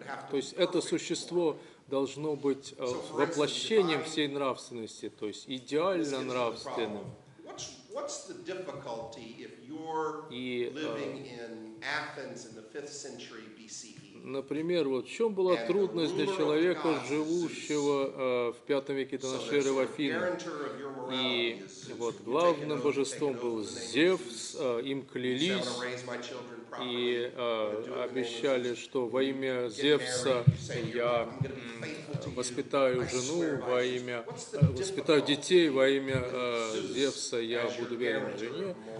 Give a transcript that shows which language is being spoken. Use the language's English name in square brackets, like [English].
[Russian] То есть это существо должно быть воплощением всей нравственности, то есть идеально нравственным. [English] What's the difficulty if you're living in Athens in the 5th century BCE? [Russian] Например, вот в чем была трудность для человека, живущего в V веке до нашей эры в Афинах? И вот главным божеством был Зевс, им клялись и обещали, что во имя Зевса я воспитаю жену, воспитаю детей, во имя Зевса я буду верен жене.